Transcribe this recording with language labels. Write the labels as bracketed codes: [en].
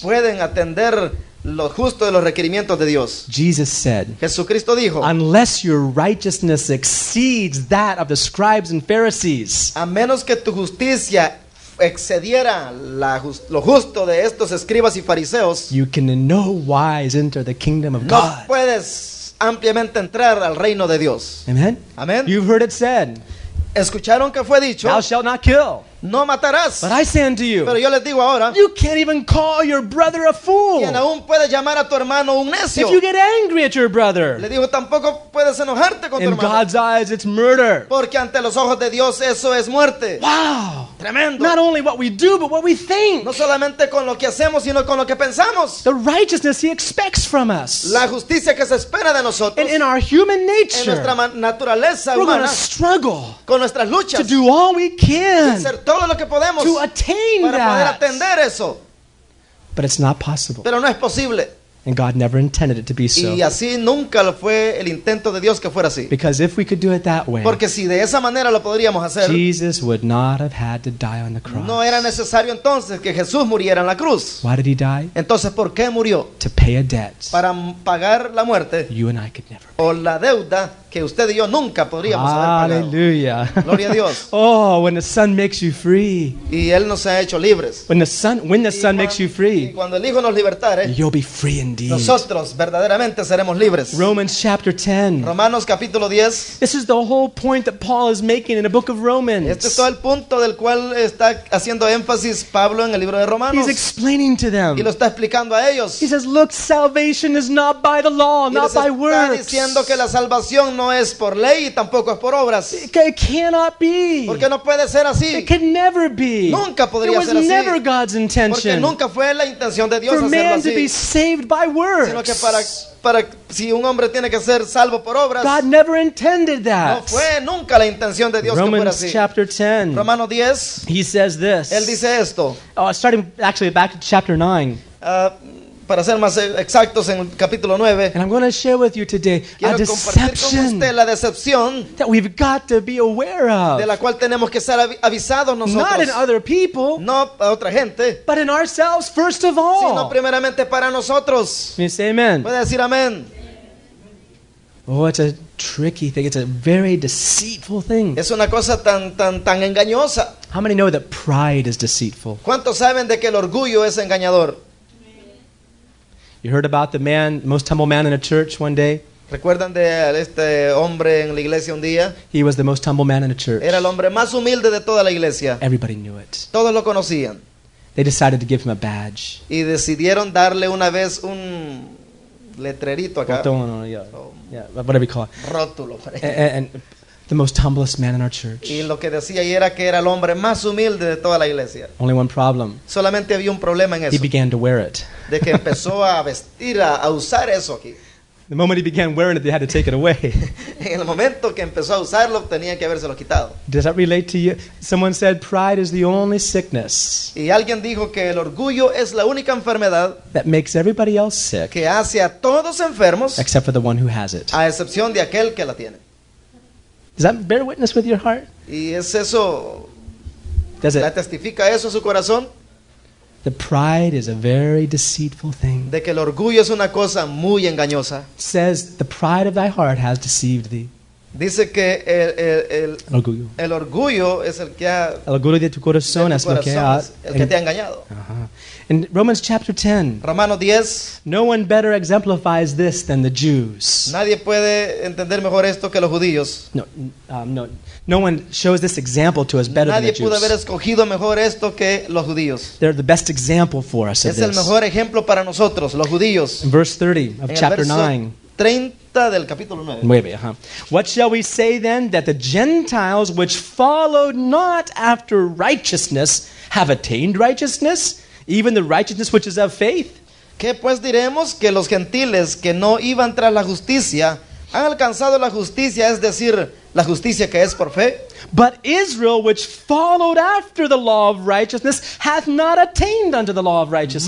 [es] Pueden atender lo justo de los requerimientos de Dios. [en] Jesus said. [es] Jesucristo dijo. [en] Unless your righteousness exceeds that of the scribes and Pharisees. [es] A menos que tu justicia excediera lo justo de estos escribas y fariseos. [en] You can in no wise enter the kingdom of God. [es] No puedes ampliamente entrar al reino de Dios. [en] Amen. [es] Amen. [en] You've heard it said. [es] Escucharon que fue dicho. [en] Thou shalt not kill. [es] No matarás. [en] But I say unto you. [es] Pero yo les digo ahora. [en] You can't even call your brother a fool. [es] Quien aún puede llamar a tu hermano un necio. [en] If you get angry at your brother. [es] Le digo tampoco puedes enojarte con tu hermano. [en] In God's eyes, it's murder. [es] Porque ante los ojos de Dios eso es muerte. [en] Wow. [es] Tremendo. [en] Not only what we do, but what we think. [es] No solamente con lo que hacemos, sino con lo que pensamos. [en] The righteousness He expects from us. [es] La justicia que se espera de nosotros. [en] And in our human nature. [es] En nuestra naturaleza [en] we're [es] humana. [en] We're going to struggle. [es] Con nuestras luchas. [en] To do all we can. [es] Todo lo que podemos [en] to attain [es] para [en] that. [es] Poder atender eso. [en] But it's not possible. [es] Pero no es posible. [en] And God never intended it to be so. [es] Y así nunca lo fue el intento de Dios que fuera así. [en] Because if we could do it that way, [es] porque si de esa manera lo podríamos hacer, [en] Jesus would not have had to die on the cross. [es] No era necesario entonces que Jesús muriera en la cruz. [en] Why did He die? [es] Entonces, ¿por qué murió? [en] To pay a debt. [es] Para pagar la muerte. [en] You and I could never pay. [es] O la deuda que usted y yo nunca podríamos haber pagado. Aleluya. Gloria a Dios. [en] Oh, when the Son makes you free. [es] Y Él nos ha hecho libres. [en] When the Son makes you free. [es] Y cuando el Hijo nos libertare. [en] You'll be free indeed. [es] Nosotros verdaderamente seremos libres. [en] Romans chapter 10. [es] Romanos capítulo 10. [en] This is the whole point that Paul is making in the book of Romans. [es] Este es todo el punto del cual está haciendo énfasis Pablo en el libro de Romanos. [en] He's explaining to them. [es] Y lo está explicando a ellos. [en] He says, look, salvation is not by the law, not by works. [es] Y está diciendo que la salvación no es por ley y tampoco es por obras. [en] It cannot be. [es] Porque no puede ser así. [en] It can never be. [es] Nunca podría ser así. [en] It was never God's intention. [es] Porque nunca fue la intención de Dios [en] for [es] hacerlo [en] man [es] así. [en] To be saved by works. [es] Sino que para si un hombre tiene que ser salvo por obras. [en] God never intended that. [es] No fue nunca la intención de Dios [en] Romans [es] que fuera así. [en] Chapter 10. [es] Romanos 10. [en] He says this. [es] Él dice esto. [en] Starting actually back to chapter 9. [es] para ser más exactos en el capítulo 9. [en] And I'm going to share with you today a deception [es] con usted la decepción [en] that we've got to be aware of. [es] De la cual tenemos que estar avisados nosotros. [en] Not in other people, [es] no a otra gente, [en] but in ourselves first of all. [es] Sino primeramente para nosotros. [en] Can you say amen? [es] ¿Puede decir amén? [en] Oh, it's a tricky thing. It's a very deceitful thing. [es] Es una cosa tan engañosa. [en] How many know that pride is deceitful? [es] ¿Cuántos saben de que el orgullo es engañador? [en] You heard about the man, most humble man in a church one day? [es] ¿Recuerdan de este hombre en la iglesia un día? [en] He was the most humble man in a church. [es] Era el hombre más humilde de toda la iglesia. [en] Everybody knew it. [es] Todos lo conocían. [en] They decided to give him a badge. [es] Y decidieron darle una vez un letrerito acá. [en] Botón, yeah, whatever you call it. [es] Rótulo. [en] And the most humblest man in our church. [es] Y lo que decía era que era el hombre más humilde de toda la iglesia. [en] Only one problem. [es] Solamente había un problema en eso. [en] He began to wear it. [es] De que empezó a vestir, a usar eso aquí. [en] The moment he began wearing it, they had to take it away. [es] En el momento que empezó a usarlo, tenían que habérselo quitado. [en] Does that relate to you? Someone said pride is the only sickness. [es] Y alguien dijo que el orgullo es la única enfermedad [en] that makes everybody else sick. [es] Que hace a todos enfermos, [en] except for the one who has it. [es] A excepción de aquel que la tiene. [en] Does that bear witness with your heart? [es] Y es eso. [en] Does it? [es] ¿La testifica eso a su corazón? [en] The pride is a very deceitful thing. [es] De que el orgullo es una cosa muy engañosa. [en] Says the pride of thy heart has deceived thee. [es] Dice que el orgullo. El orgullo es el que ha. El orgullo de tu corazón es el que te ha engañado. [en] Uh-huh. In Romans chapter 10. [es] Romanos 10. [en] No one better exemplifies this than the Jews. [es] Nadie puede entender mejor esto que los judíos. [en] No. No one shows this example to us better [es] Nadie [en] than the Jews. [es] Pudo haber escogido mejor esto que los judíos. [en] They're the best example for us [es] es [en] of this. [es] El mejor ejemplo para nosotros, los judíos. [en] In verse 30 of [es] en [en] chapter [es] 30 del capítulo [en] 9. Uh-huh. What shall we say then that the Gentiles which followed not after righteousness have attained righteousness, even the righteousness which is of faith? [es] ¿Qué pues diremos que los gentiles que no iban tras la justicia han alcanzado la justicia, es decir, la justicia que es por fe? [en] But Israel, which followed after the law of righteousness, hath not attained unto the law of righteousness.